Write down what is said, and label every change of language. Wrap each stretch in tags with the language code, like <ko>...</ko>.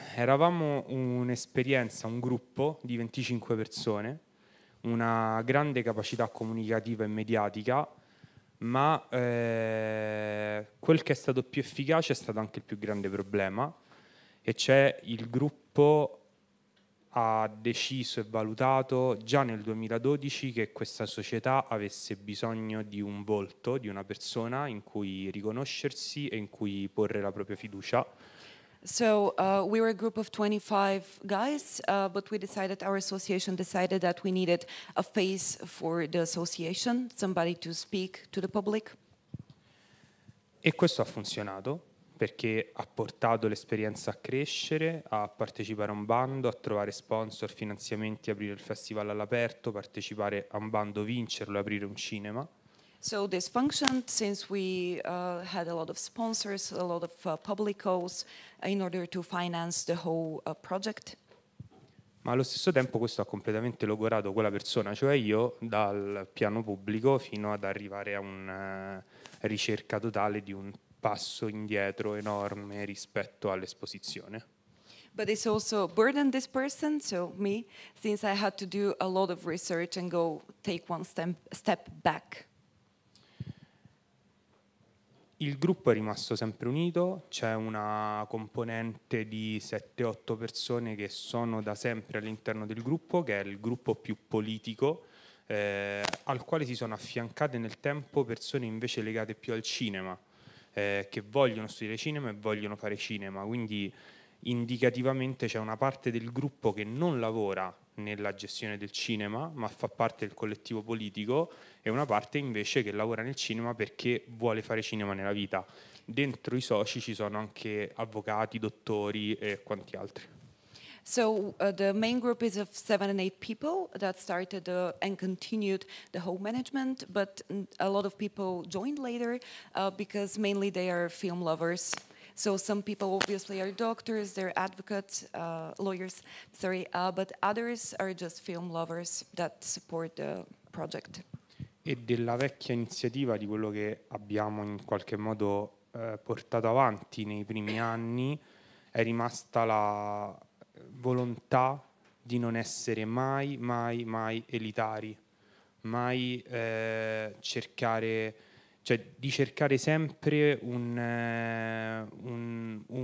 <it>Eravamo un'esperienza, un gruppo di 25 persone, una grande capacità comunicativa e mediatica, ma quel che è stato più efficace è stato anche il più grande problema, e cioè il gruppo ha deciso e valutato già nel 2012 che questa società avesse bisogno di un volto, di una persona in cui riconoscersi e in cui porre la propria fiducia.</it> <en>So we were a group of 25 guys, but we decided, our association decided that we needed a face for the association, somebody to speak to the public.</en> <it>E questo ha funzionato, perché ha portato l'esperienza a crescere, a partecipare a un bando, a trovare sponsor, finanziamenti, aprire il festival all'aperto, partecipare a un bando, vincerlo e aprire un cinema.</it> <en>So this functioned since we had a lot of sponsors, a lot of public calls in order to finance the whole project.</en> <it>Ma allo stesso tempo questo ha completamente logorato quella persona, cioè io, dal piano pubblico fino ad arrivare a una ricerca totale di un passo indietro enorme rispetto all'esposizione.</it> <en>But it's also burdened this person, so me, since I had to do a lot of research and go take one step back.</en> <it>Il gruppo è rimasto sempre unito, c'è una componente di 7-8 persone che sono da sempre all'interno del gruppo, che è il gruppo più politico, al quale si sono affiancate nel tempo persone invece legate più al cinema, che vogliono studiare cinema e vogliono fare cinema. Quindi indicativamente c'è una parte del gruppo che non lavora nella gestione del cinema, ma fa parte del collettivo politico, e una parte invece che lavora nel cinema perché vuole fare cinema nella vita. Dentro I soci ci sono anche avvocati, dottori e quanti altri.</it> <en>So the main group is of 7 and 8 people that started and continued the whole management, but a lot of people joined later because mainly they are film lovers. So some people obviously are doctors, they're advocates, lawyers, sorry, but others are just film lovers that support the project.</en> <it>E della vecchia iniziativa, di quello che abbiamo in qualche modo portato avanti nei primi anni è rimasta la volontà di non essere mai, mai, mai elitari, mai cercare, cioè di cercare sempre un</it>